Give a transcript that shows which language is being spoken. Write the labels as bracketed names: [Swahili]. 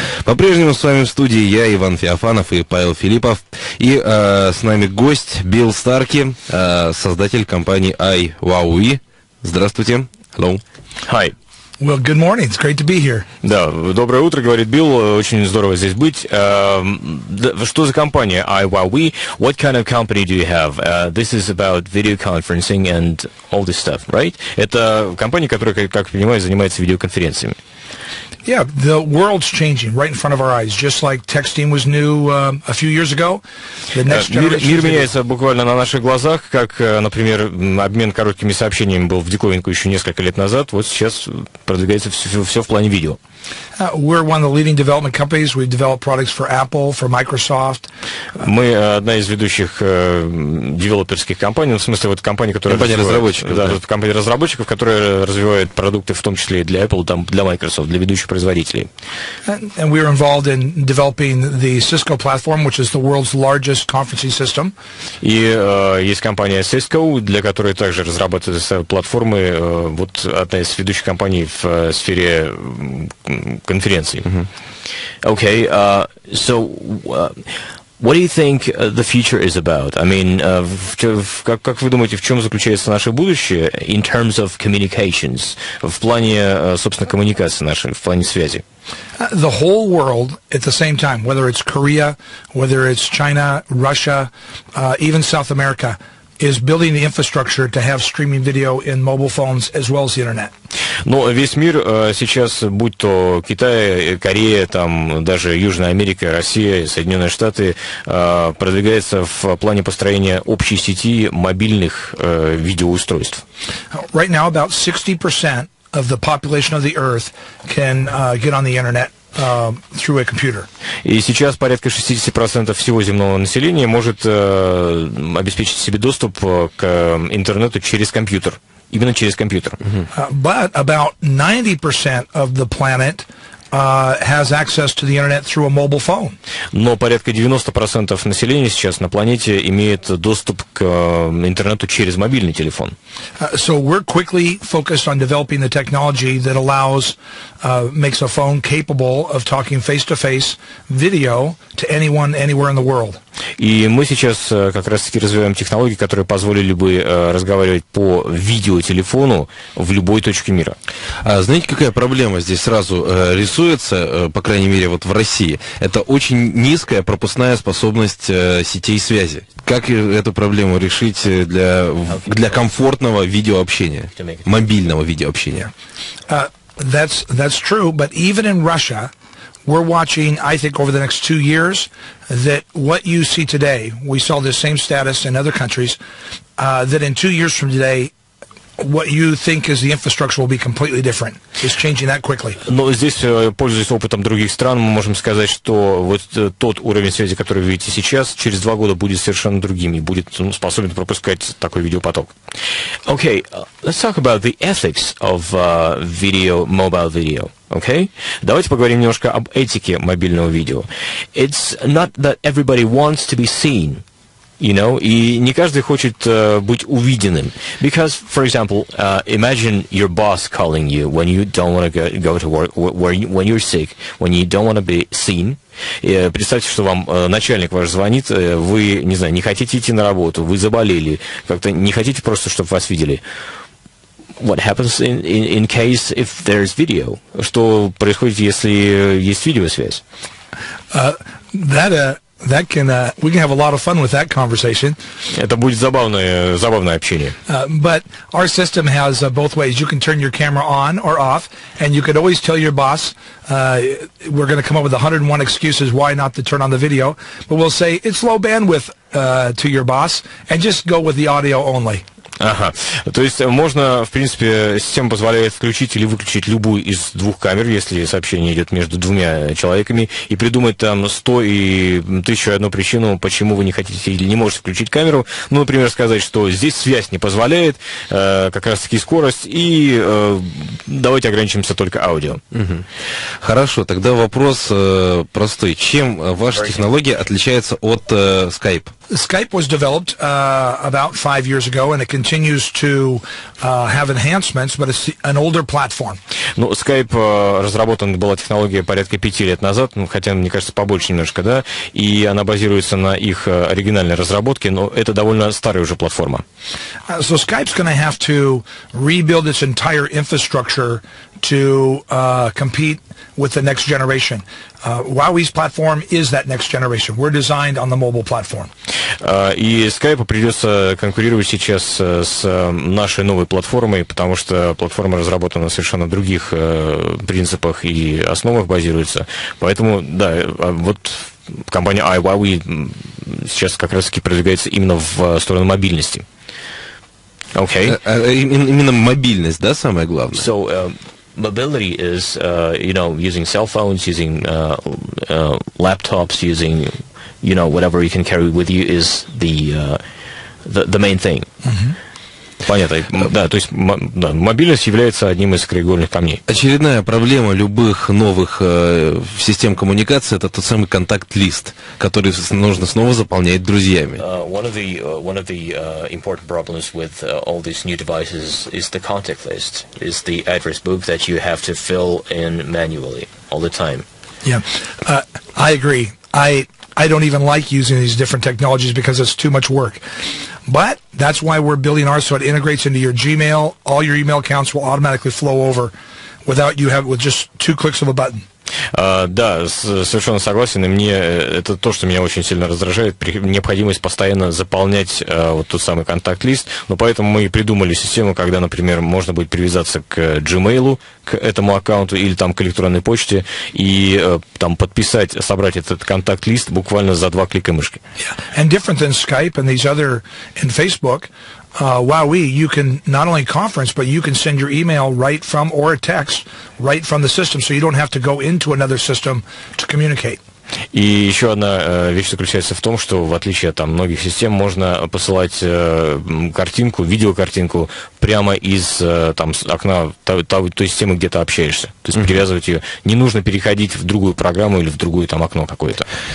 [Russian] По-прежнему с вами в студии я, Иван Феофанов и Павел Филиппов. И с нами гость Билл Старки, создатель компании iWowie. Здравствуйте. [English] Hello. Hi. Well, good morning. It's great to be here. [Russian] Да, доброе утро, говорит Билл. Очень здорово здесь быть. Что за компания iWowie? [English] What kind of company do you have? This is about video conferencing and all this stuff, right? [Russian] Это компания, которая, как понимаю, занимается видеоконференциями. [English] Yeah, the world's changing right in front of our eyes, just like texting was new a few years ago. The next generation. [Russian] Мир меняется буквально на наших глазах, как, например, обмен короткими сообщениями был в диковинку еще несколько лет назад. Вот сейчас продвигается все в плане видео. [English] We're one of the leading development companies. We develop products for Apple, for Microsoft. [Russian] Мы одна из ведущих девелоперских компаний, в смысле вот компании, которая компания разработчиков, да, да. Компания разработчиков, которая развивает продукты, в том числе и для Apple, там для Microsoft, для ведущих производителей. [English] And we are involved in developing the Cisco platform, which is the world's largest conferencing system. [Russian] И есть компания Cisco, для которой также разрабатываются платформы. Вот одна из ведущих компаний в сфере конференции. Mm-hmm. [English] Okay, so what do you think the future is about? I mean, [Russian] как вы думаете, в чем заключается наше будущее [English] in terms of communications, [Russian] в плане, собственно, коммуникации нашей, в плане связи? [English] The whole world at the same time, whether it's Korea, whether it's China, Russia, even South America, is building the infrastructure to have streaming video in mobile phones as well as the internet. [Russian] Ну, весь мир сейчас, будь то Китай, Корея, там, даже Южная Америка, Россия, Соединенные Штаты, продвигается в плане построения общей сети мобильных видеоустройств. [English] Right now about 60% of the population of the earth can get on the internet. Through a computer. [Russian] И сейчас порядка 60% всего земного населения может обеспечить себе доступ к интернету через компьютер. Именно через компьютер. [English] But about 90% of the planet has access to the internet through a mobile phone. [Russian] Но порядка 90% населения сейчас на планете имеет доступ к интернету через мобильный телефон. [English] So we're quickly focused on developing the technology that allows makes a phone capable of talking face-to-face video to anyone anywhere in the world. [Russian] И мы сейчас как раз-таки развиваем технологии, которые позволили бы разговаривать по видеотелефону в любой точке мира. А знаете, какая проблема здесь сразу рисуется, по крайней мере, вот в России? Это очень низкая пропускная способность сетей связи. Как эту проблему решить для комфортного видеообщения, мобильного видеообщения? [English] That's true, but even in Russia, we're watching, I think, over the next 2 years, that what you see today, we saw the same status in other countries, that in 2 years from today, what you think is the infrastructure will be completely different. It's changing that quickly. [Russian] Но здесь, пользуясь опытом других стран, мы можем сказать, что вот тот уровень связи, который вы видите сейчас, через 2 года будет совершенно другим и будет способен пропускать такой видеопоток. [English] Okay, let's talk about the ethics of video, mobile video. Okay? [Russian] Давайте поговорим немножко об этике мобильного видео. [English] It's not that everybody wants to be seen. You know, [Russian] и не каждый хочет быть увиденным. [English] Because, for example, imagine your boss calling you when you don't want to go to work, when you're sick, when you don't want to be seen. [Russian] Представьте, что вам начальник ваш звонит, вы, не знаю, не хотите идти на работу, вы заболели, как-то не хотите просто, чтобы вас видели. [English] What happens in case if there's video? [Russian] Что происходит, если есть видеосвязь? [English] We can have a lot of fun with that conversation. [Russian] Это будет забавное общение. [English] But our system has both ways. You can turn your camera on or off, and you could always tell your boss, we're going to come up with 101 excuses why not to turn on the video, but we'll say it's low bandwidth to your boss, and just go with the audio only. Ага. [Russian] То есть можно, в принципе, система позволяет включить или выключить любую из двух камер, если сообщение идет между двумя человеками, и придумать там 100 и 1001 причину, почему вы не хотите или не можете включить камеру. Ну, например, сказать, что здесь связь не позволяет, как раз-таки скорость, и давайте ограничимся только аудио. Хорошо, тогда вопрос простой. Чем ваша технология отличается от Skype? [English] Skype was developed about 5 years ago, and it continues to have enhancements, but it's an older platform. [Russian] Ну, Skype разработан была технология порядка 5 лет назад, ну, хотя, мне кажется, побольше немножко, да, и она базируется на их оригинальной разработке, но это довольно старая уже платформа. [English] So Skype's going to have to rebuild its entire infrastructure to compete with the next generation. Huawei's platform is that next generation. We're designed on the mobile platform. [Russian] И Skype придется конкурировать сейчас с нашей новой платформой, потому что платформа разработана на совершенно других принципах и основах базируется. Поэтому, да, вот компания iHuawei сейчас как раз-таки продвигается именно в сторону мобильности. [English] Okay. [Russian] Именно мобильность, да, самое главное? [English] So, mobility is, you know, using cell phones, using laptops, using, you know, whatever you can carry with you is the main thing. [Russian] Mm-hmm. Понятно. Да, то есть да, мобильность является одним из краеугольных камней. Очередная проблема любых новых систем коммуникации – это тот самый контакт-лист, который нужно снова заполнять друзьями. [English] One of the important problems with all these new devices is the contact list, is the address book that you have to fill in manually all the time. Yeah, I agree. I don't even like using these different technologies because it's too much work. But that's why we're building ours so it integrates into your Gmail. All your email accounts will automatically flow over without you have with just 2 clicks of a button. [Russian] Да, совершенно согласен, и мне это то, что меня очень сильно раздражает, необходимость постоянно заполнять вот тот самый контакт-лист, но поэтому мы и придумали систему, когда, например, можно будет привязаться к Gmail, к этому аккаунту или там к электронной почте, и там подписать, собрать этот контакт-лист буквально за 2 клика мышки. [English] Yeah. And different than Skype and these other, and Facebook, Huawei, you can not only conference, but you can send your email right from, or a text, right from the system, so you don't have to go into another system to communicate. [Russian] И еще одна вещь заключается в том, что в отличие от многих систем, можно посылать картинку, видеокартинку прямо из там, окна той системы, где ты общаешься. То есть привязывать ее. Не нужно переходить в другую программу или в другое там окно какое-то.